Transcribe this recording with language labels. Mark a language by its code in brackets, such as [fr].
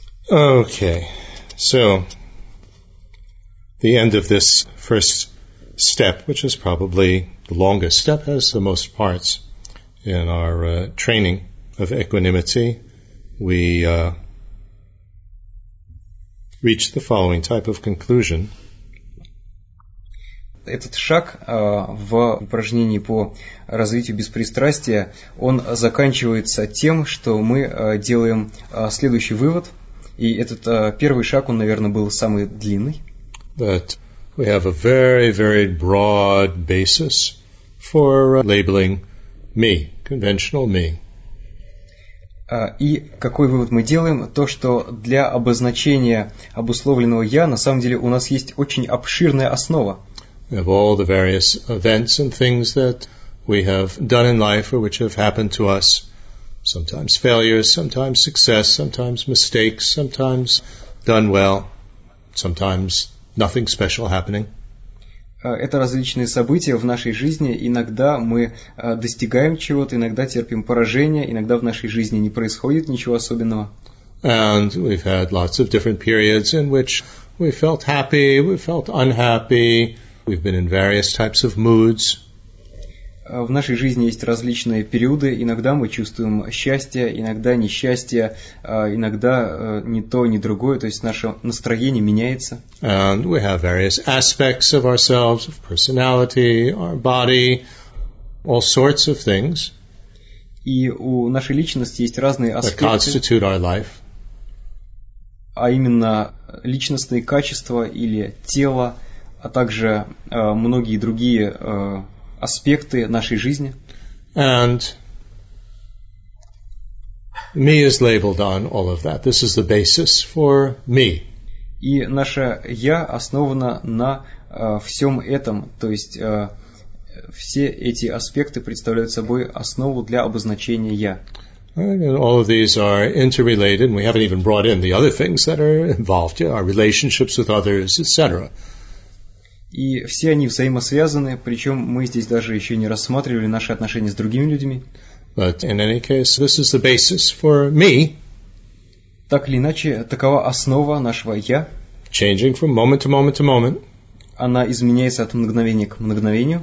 [en] Okay, so the end of this first step, which is probably the longest step, has the most parts in our training of equanimity, we reach the following type of conclusion. [ru] Этот шаг в упражнении по развитию беспристрастия, он заканчивается тем, что мы делаем следующий вывод. И этот первый шаг, он, наверное, был самый длинный. [en] That we have a very, very broad basis for labeling me, conventional me. [ru] И какой вывод мы делаем? То, что для обозначения обусловленного «я» на самом деле у нас есть очень обширная основа. [en] We have all the various events and things that we have done in life or which have happened to us. Sometimes failures, sometimes success, sometimes mistakes, sometimes done well, sometimes nothing special happening. [ru] Это различные события в нашей жизни. Иногда мы достигаем чего-то, иногда терпим поражение, иногда в нашей жизни не происходит ничего особенного. [en] And we've had lots of different periods in which we felt happy, we felt unhappy, we've been in various types of moods. [ru] В нашей жизни есть различные периоды. Иногда мы чувствуем счастье, иногда несчастье, иногда ни то, ни другое. То есть наше настроение меняется. [en] And we have various aspects of ourselves, of personality, our body, all sorts of things. [ru] И у нашей личности есть разные аспекты. [en] That constitute our life. [ru] А именно личностные качества или тело, а также многие другие аспекты нашей жизни. [en] And me is labeled on all of that. This is the basis for me. [ru] И наше «я» основано на всем этом. То есть все эти аспекты представляют собой основу для обозначения «я». [en] All of these are interrelated, and we haven't even brought in the other things that are involved, our relationships with others, etc. [ru] И все они взаимосвязаны, причем мы здесь даже еще не рассматривали наши отношения с другими людьми. [en] But in any case, this is the basis for me. [ru] Так или иначе, такова основа нашего «я». [en] Changing from moment to moment to moment. [ru] Она изменяется от мгновения к мгновению.